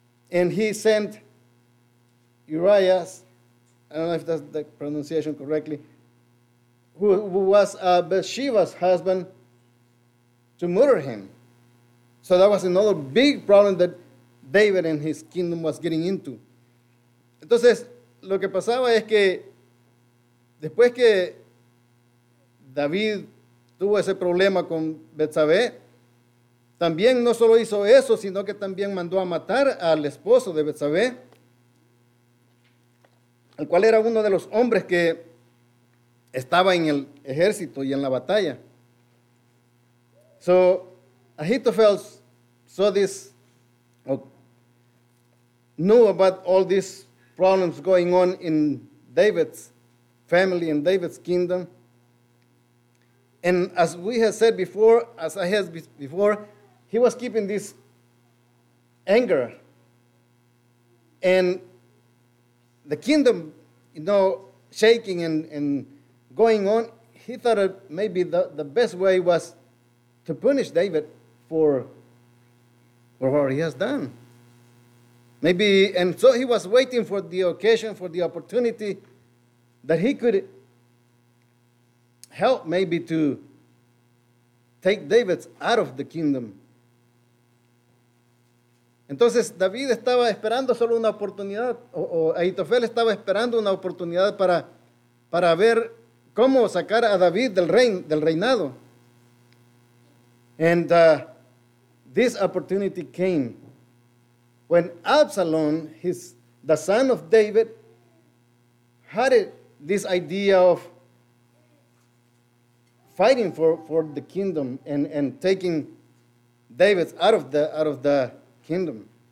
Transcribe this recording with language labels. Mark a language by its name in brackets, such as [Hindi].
[English] And he sent Urias, I don't know if that's the pronunciation correctly, who was Bathsheba's husband, to murder him. So that was another big problem that David and his kingdom was getting into. [Spanish] Entonces, lo que pasaba es que después que David tuvo ese problema con Betsabé, también no solo hizo eso, sino que también mandó a matar al esposo de Betsabé, el cual era uno de los hombres que estaba en el ejército y en la batalla. [English] So, Ahithophel saw this, or knew about all these problems going on in David's family, in David's kingdom. And as we have said before, as I have before, he was keeping this anger. And the kingdom, you know, shaking and going on, he thought that maybe the best way was to punish David for what he has done. Maybe, and so he was waiting for the occasion, for the opportunity that he could help maybe to take David out of the kingdom. [Spanish] Entonces, David estaba esperando solo una oportunidad, o Ahitofel estaba esperando una oportunidad para ver cómo sacar a David del reinado. [English] And this opportunity came when Absalom, the son of David, had this idea of fighting for the kingdom and taking David out of the kingdom.